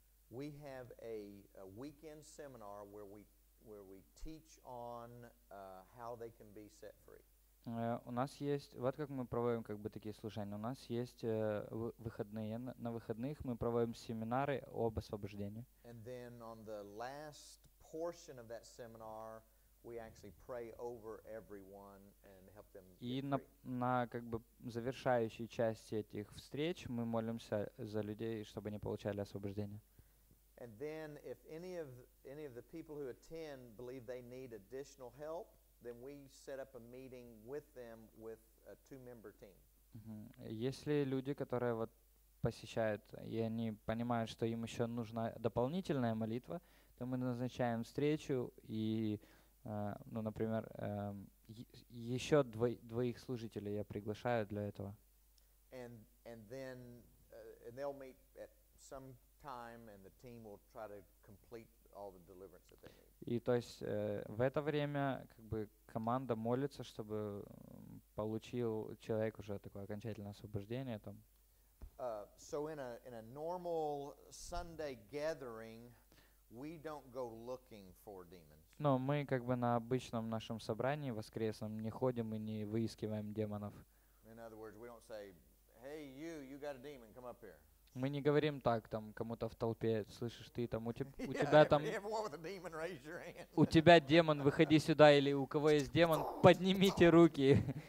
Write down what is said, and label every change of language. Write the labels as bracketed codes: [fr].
[en] We have a weekend seminar where we teach on how they can be set free. [ru] У нас есть, вот как мы проводим как бы такие служения. У нас есть выходные. На выходных мы проводим семинары об освобождении. [en] And then on the last portion of that seminar, we actually pray over everyone and help them. [ru] И на как бы завершающей части этих встреч мы молимся за людей, чтобы они получали освобождение. [en] And then if any of the people who attend believe they need additional help, then we set up a meeting with them with a two-member team. [ru] Если люди, которые вот посещают, и они понимают, что им еще нужна дополнительная молитва, то мы назначаем встречу и, ну, например, еще двоих служителей я приглашаю для этого. [en] And then they'll meet at some time and the team will try to complete all the deliverance that they need. [ru] И то есть в это время как бы команда молится, чтобы получил человек уже такое окончательное освобождение там. [en] So in a normal Sunday gathering, we don't go looking for demons. [ru] Но мы как бы на обычном нашем собрании воскресном не ходим и не выискиваем демонов. [en] In other words, we don't say, "Hey, you got a demon, come up here." [ru] Мы не говорим так там кому-то в толпе, слышишь, ты там, у тебя демон, выходи сюда, или у кого есть демон, поднимите руки.